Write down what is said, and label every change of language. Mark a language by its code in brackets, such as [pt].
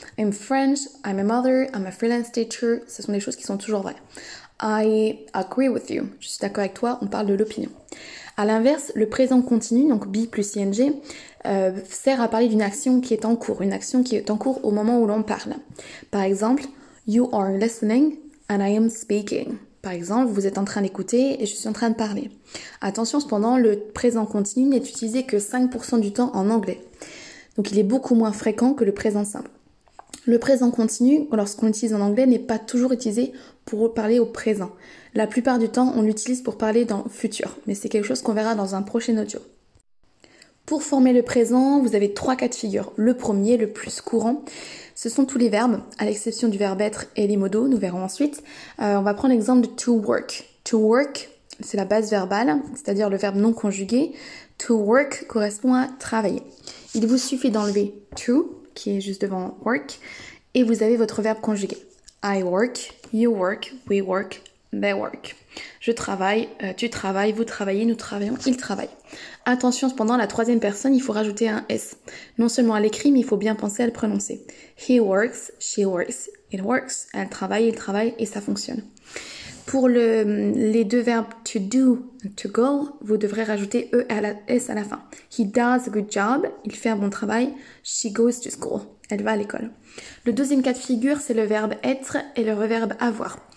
[en] I'm French, I'm a mother, I'm a freelance teacher, [fr] ce sont des choses qui sont toujours vraies. [en] I agree with you, [fr] je suis d'accord avec toi, on parle de l'opinion. A l'inverse, le présent continu, donc be plus ing, sert à parler d'une action qui est en cours, une action qui est en cours au moment où l'on parle. Par exemple, [en] you are listening and I am speaking. [fr] Par exemple, vous êtes en train d'écouter et je suis en train de parler. Attention cependant, le présent continu n'est utilisé que 5% du temps en anglais. Donc il est beaucoup moins fréquent que le présent simple. Le présent continu, lorsqu'on l'utilise en anglais, n'est pas toujours utilisé pour parler au présent. La plupart du temps, on l'utilise pour parler dans le futur, mais c'est quelque chose qu'on verra dans un prochain audio. Pour former le présent, vous avez trois cas de figure. Le premier, le plus courant, ce sont tous les verbes, à l'exception du verbe être et les modaux, nous verrons ensuite. On va prendre l'exemple de to work. To work, c'est la base verbale, c'est-à-dire le verbe non conjugué. To work correspond à travailler. Il vous suffit d'enlever to, qui est juste devant work, et vous avez votre verbe conjugué. [en] I work, you work, we work, they work. [fr] Je travaille, tu travailles, vous travaillez, nous travaillons, ils travaillent. Attention cependant, la troisième personne, il faut rajouter un S. Non seulement à l'écrit, mais il faut bien penser à le prononcer. [en] He works, she works, it works. [fr] Elle travaille, il travaille et ça fonctionne. Pour les deux verbes to do, to go, vous devrez rajouter E à la S à la fin. [en] He does a good job, [fr] il fait un bon travail. [en] She goes to school, [fr] elle va à l'école. Le deuxième cas de figure, c'est le verbe être et le verbe avoir.